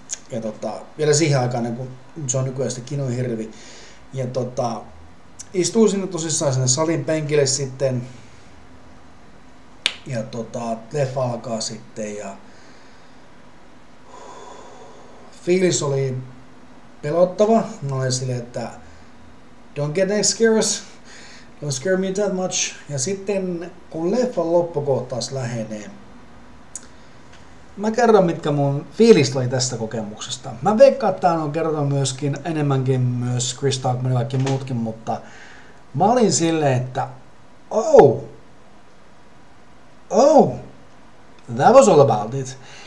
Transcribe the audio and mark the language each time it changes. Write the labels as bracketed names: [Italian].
[Finnish] Ja vielä siihen aikaan, kun se on nykyään sitten Kinohirvi. Ja istuin sinne tosissaan sinne salin penkille sitten. Ja leffa alkaa sitten ja fiilis oli pelottava. Mä olin silleen, että [English] don't get scared, don't scare me that much. [Finnish] Ja sitten kun leffan loppukohtaus lähenee, mä kerron mitkä mun fiilis oli tästä kokemuksesta. Mä veikkaan, että on kertonut myöskin enemmänkin myös Chris Tuckman ja kaikki muutkin, mutta mä olin silleen, että [English] oh, that was all about it.